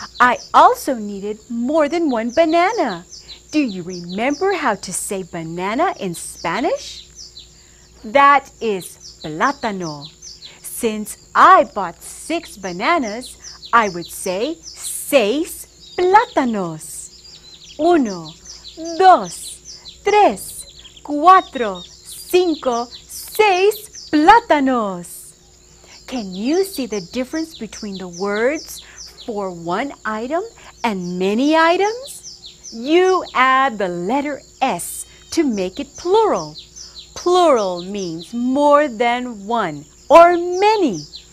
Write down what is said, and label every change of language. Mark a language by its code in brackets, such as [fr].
[en] I also needed more than one banana. Do you remember how to say banana in Spanish? That is plátano. Since I bought six bananas, I would say [es] seis plátanos. Uno, dos, tres, cuatro, cinco, seis plátanos. [en] Can you see the difference between the words for one item and many items? You add the letter S to make it plural. Plural means more than one or many.